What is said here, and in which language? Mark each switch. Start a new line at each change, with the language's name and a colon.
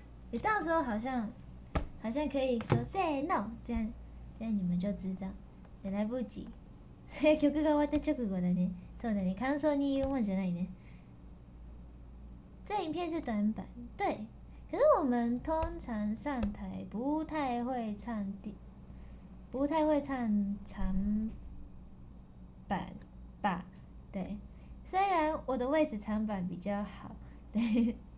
Chinese: 你到时候好像可以说
English: say no
Chinese: 这样，那你们就知道，也来不及。所以
Japanese: 曲が終わった直後だね。そうだね。感想に言うもんじゃないね。
Chinese: 这影片是短版，对。可是我们通常上台不太会唱不太会唱长版吧？对。虽然我的位置长版比较好，对。